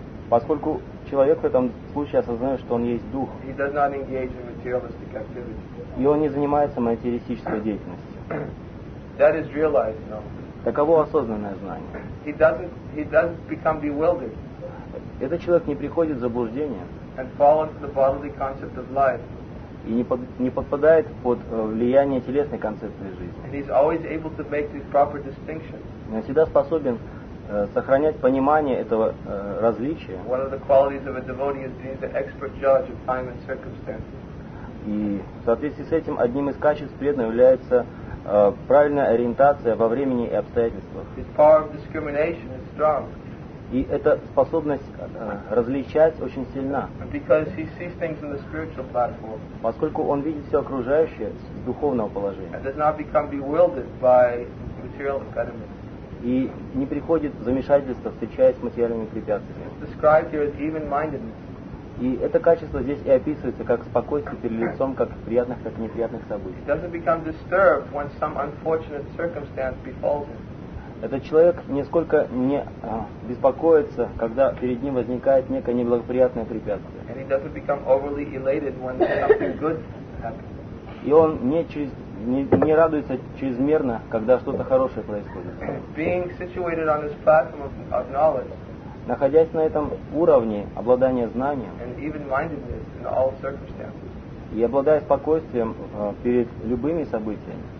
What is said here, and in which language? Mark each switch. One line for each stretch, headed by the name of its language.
Russian: Поскольку человек в этом случае осознает, что он есть дух, и он не занимается материалистической деятельностью. Таково осознанное знание.
English: He doesn't become bewildered.
Russian: Этот человек не приходит в заблуждение.
English: And fall into the bodily concept of life.
Russian: И не подпадает под влияние телесной концепции жизни.
English: And he's always able to make these proper distinctions.
Russian: Он всегда способен сохранять понимание этого различия.
English: One of the qualities of a devotee is being the expert judge of time and circumstances.
Russian: И в соответствии с этим одним из качеств преданного является правильная ориентация во времени и обстоятельствах.
English: His power of discrimination is strong.
Russian: И эта способность различать очень сильна.
English: Because he sees things in the spiritual platform.
Russian: Поскольку он видит все окружающее с духовного положения.
English: And does not become bewildered by material impediments.
Russian: И не приходит в замешательство, встречаясь с материальными препятствиями.
English: It's described here as even-mindedness.
Russian: И это качество здесь и описывается как спокойствие перед лицом как приятных, так и неприятных событий.
English: Doesn't become disturbed when some unfortunate circumstance befalls him.
Russian: Этот человек нисколько не беспокоится, когда перед ним возникает некое неблагоприятное препятствие.
English: And he doesn't become overly elated when something good happens.
Russian: И он не радуется чрезмерно, когда что-то хорошее происходит.
English: Being situated on this platform of knowledge.
Russian: Находясь на этом уровне обладания знанием
English: and even-mindedness in all circumstances,
Russian: и обладая спокойствием перед любыми событиями,